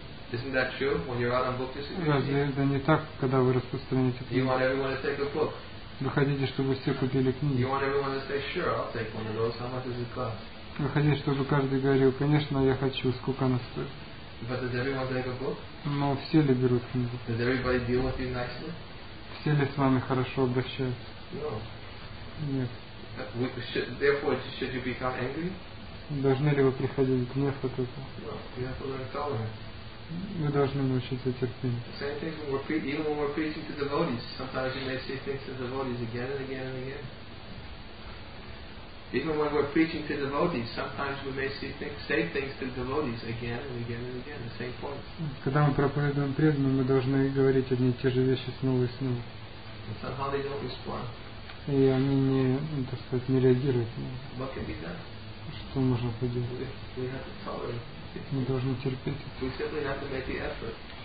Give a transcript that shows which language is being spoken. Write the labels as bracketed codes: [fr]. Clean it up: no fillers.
[en] Isn't that true when you're out on book distribution? Isn't that true when you're out on book distribution? [ru] Разве это не так, когда вы распространяете книги? [en] You want everyone to take a book. [ru] Вы хотите, чтобы все купили книги? [en] You want everyone to say, sure, I'll take one of those. How much does it cost? [ru] Вы хотите, чтобы каждый говорил, конечно, я хочу, сколько она стоит? [en] But does everyone take a book? [ru] Но все ли берут книги? [en] Does everybody deal with you nicely? [ru] Все ли с вами хорошо обращаются? [en] No. [ru] Нет. [en] Therefore, should you become angry? [ru] Должны ли вы приходить к гневу от этого? [en] No, you have to learn tolerance. [ru] Вы должны научиться терпению. [en] The same thing when we're preaching to devotees. Sometimes you may see things to devotees again and again and again. Even when we're preaching to devotees, sometimes we may say things to devotees again and again and again, the same points. [ru] Когда мы проповедуем преданным, мы должны говорить одни и те же вещи снова и снова. [en] And somehow they don't respond. [ru] И они не, так сказать, не реагируют. [en] What can be done? [ru] Что можно поделать? [en] We have to tolerate. [ru] Мы должны терпеть. [en] We simply have to make the effort.